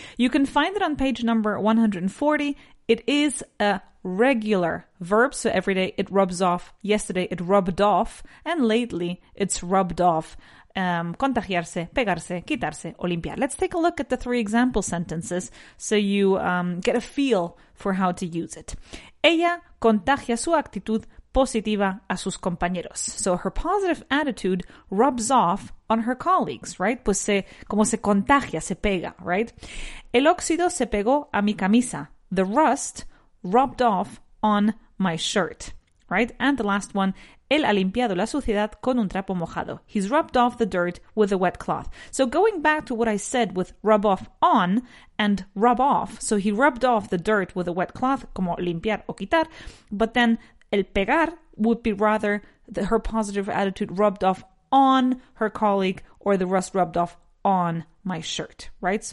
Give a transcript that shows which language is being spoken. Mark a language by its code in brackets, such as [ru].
[en] You can find it on page number 140. It is a regular verb, so every day it rubs off. Yesterday it rubbed off, and lately it's rubbed off. [es] Contagiarse, pegarse, quitarse, o limpiar. [en] Let's take a look at the three example sentences so you get a feel for how to use it. [es] Ella contagia su actitud positiva a sus compañeros. [en] So her positive attitude rubs off on her colleagues, right? [es] Pues se, como se contagia, se pega, [en] right? [es] El óxido se pegó a mi camisa. [en] The rust rubbed off on my shirt, right? And the last one, [es] él ha limpiado la suciedad con un trapo mojado. [en] He's rubbed off the dirt with a wet cloth. So going back to what I said with rub off on and rub off, so he rubbed off the dirt with a wet cloth, [es] como limpiar o quitar, [en] but then [es] el pegar [en] would be rather the, her positive attitude rubbed off on her colleague, or the rust rubbed off on my shirt, right?